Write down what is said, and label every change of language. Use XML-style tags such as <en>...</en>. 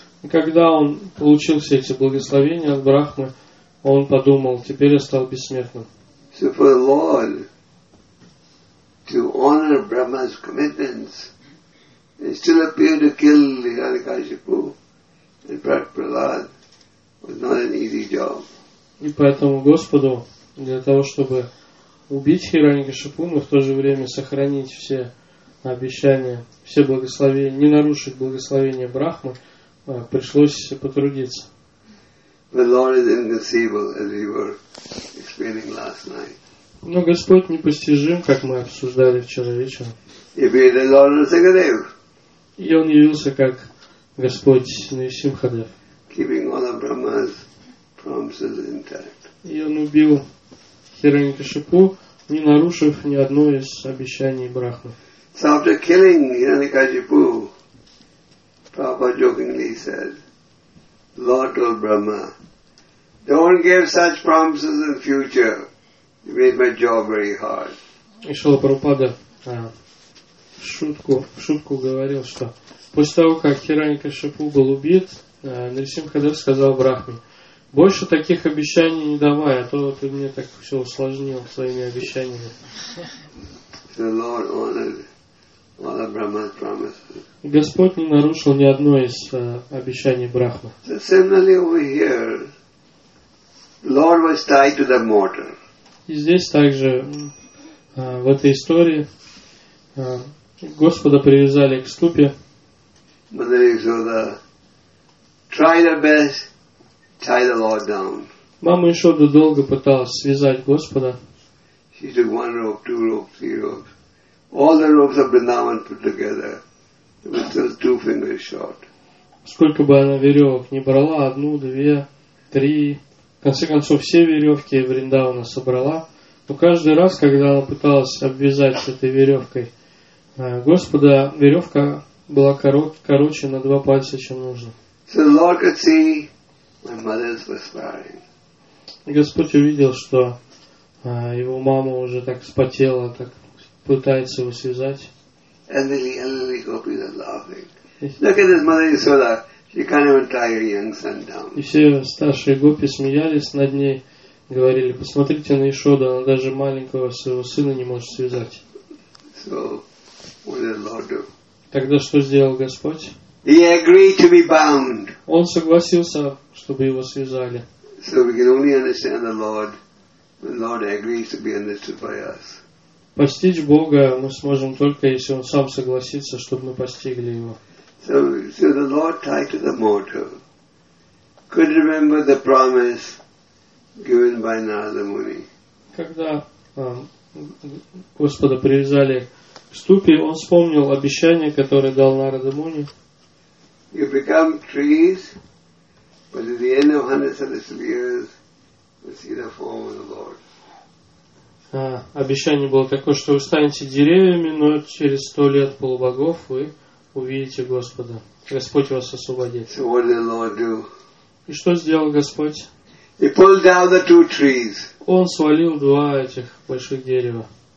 <ru>И когда он получил все эти благословения от Брахмы, он подумал, теперь я стал бессмертным.</ru> <en>So for the Lord to honor Brahma's commitments and still appear to kill Hiranyakashipu and Prahlad was not an easy job.</en> <ru>И поэтому Господу для того, чтобы убить Хиранякашипу, но в то же время сохранить все обещания, все благословения, не нарушить благословения Брахмы, пришлось потрудиться.</ru> <en>The Lord is inconceivable, as we were explaining last night.</en> <ru>Но Господь непостижим, как мы обсуждали вчера вечером.</ru> <en>He be the Lord of Sagadev.</en> <ru>И он явился как Господь Нарисимхадев.</ru> <en>Keeping all of Brahma's promises intact.</en> <ru>И он убил Хиранякашипу, не нарушив ни одно из обещаний Брахмы.</ru> <en>So after killing Hiranyakashipu, Prabhupada jokingly said, Lord told Brahma, don't give such promises in future. You made my job very hard.</en> <ru>И Шрила Прабхупада в шутку говорил, что после того, как Хиранья-Кашипу был убит, Нарсимха-дев сказал Брахме: больше таких обещаний не давай, а то ты мне так все усложнил своими обещаниями.</ru> <en>The Lord honored all of Brahma's promises.</en> <ru>Господь не нарушил ни одно из обещаний Брахмы.</ru> <en>Similarly over here, Lord was tied to the mortar.</en> <ru>И здесь также в этой истории Господа привязали к ступе.</ru> <en>Mother Yashoda tried her best to tie the Lord down.</en> <ru>Мама Ишода долго пыталась связать Господа.</ru> <en>She took one rope, two ropes, three ropes. All the ropes of Vrindavan put together. It was still two fingers short.</en> <ru>Сколько бы она веревок не брала, одну, две, три. В конце концов, все веревки Вриндавана собрала. Но каждый раз, когда она пыталась обвязать с этой веревкой Господа, веревка была короче на два пальца, чем нужно.</ru> <en>So Lord could see my mother's perspiring.</en> <ru>Господь увидел, что его мама уже так вспотела, так пытается его связать.</ru> <en>And the elderly gopis are laughing. Look at this mother Yashoda. She can't even tie her young son down.</en> <ru>И все старшие гопи смеялись над ней, говорили: посмотрите на Ишоду, она даже маленького своего сына не может связать.</ru> <en>So what did the Lord do?</en> <ru>Тогда что сделал Господь?</ru> <en>He agreed to be bound.</en> <ru>Он согласился, чтобы его связали.</ru> <en>So we can only understand the Lord when the Lord agrees to be understood by us.</en> <ru>Постичь Бога мы сможем только, если Он сам согласится, чтобы мы постигли Его.</ru> <en>So the Lord tied to the mortar, could remember the promise given by Narada Muni.</en> <ru>Когда Господа привязали к ступе, Он вспомнил обещание, которое дал Нарада Муни.</ru> <en>You become trees, but at the end of hundreds of years, you see the form of the Lord.</en> <ru>Обещание было такое, что вы станете деревьями, но через 100 лет полубогов вы увидите Господа. Господь вас освободит.</ru> <en>So what did the Lord do?</en> <ru>И что сделал Господь?</ru> <en>He pulled down the two trees.</en> <ru>Он свалил два этих больших дерева.</ru>